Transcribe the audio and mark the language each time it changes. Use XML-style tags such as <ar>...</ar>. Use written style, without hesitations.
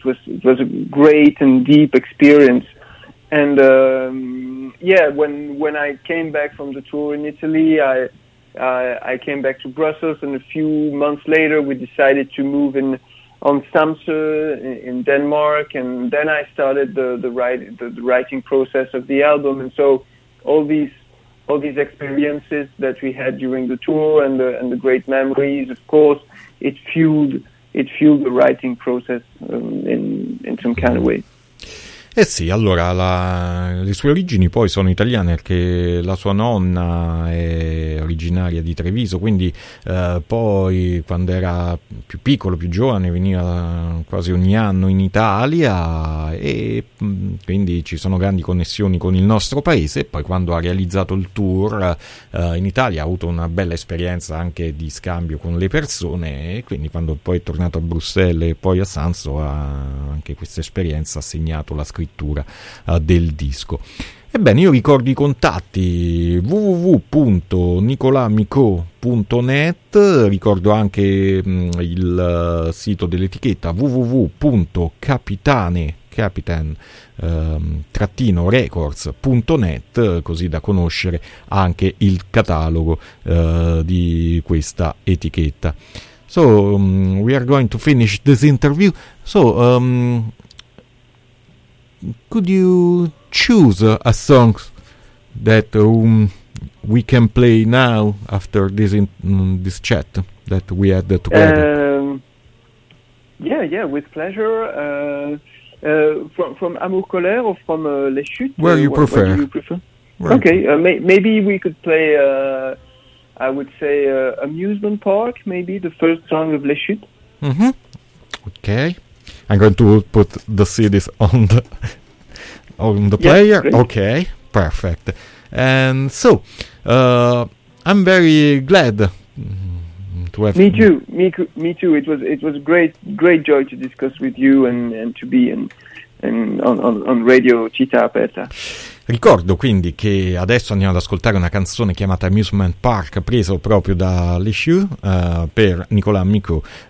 <en>It was a great and deep experience. And when I came back from the tour in Italy, I came back to Brussels, and a few months later we decided to move on Samsø in Denmark, and then I started the writing process of the album. And so all these experiences that we had during the tour and the great memories, of course, it fueled the writing process in some kind of way.</en> <it>Eh sì, allora le sue origini poi sono italiane, perché la sua nonna è originaria di Treviso, quindi poi quando era più piccolo, più giovane, veniva quasi ogni anno in Italia, e quindi ci sono grandi connessioni con il nostro paese. Poi quando ha realizzato il tour in Italia ha avuto una bella esperienza anche di scambio con le persone, e quindi quando poi è tornato a Bruxelles e poi a Sanso, anche questa esperienza ha segnato la scrittura del disco. Ebbene, io ricordo i contatti: www.nicolamico.net. Ricordo anche il sito dell'etichetta www.capitan-records.net, così da conoscere anche il catalogo di questa etichetta.</it> <en>So we are going to finish this interview. So could you choose a song that we can play now after this this chat that we had together? With pleasure. From Amour Colère or from Les Chutes? Where you prefer. What do you prefer? Okay, maybe we could play, I would say, Amusement Park, maybe the first song of Les Chutes. Mm-hmm. Okay. I'm going to put the CDs on the... on the player. Yes, okay, perfect. And so I'm very glad to have me too. It was great joy to discuss with you and to be on Radio Città Aperta.</en> <it>Ricordo quindi che adesso andiamo ad ascoltare una canzone chiamata Amusement Park, preso proprio da L'Issue per Nicolas Micou.</it>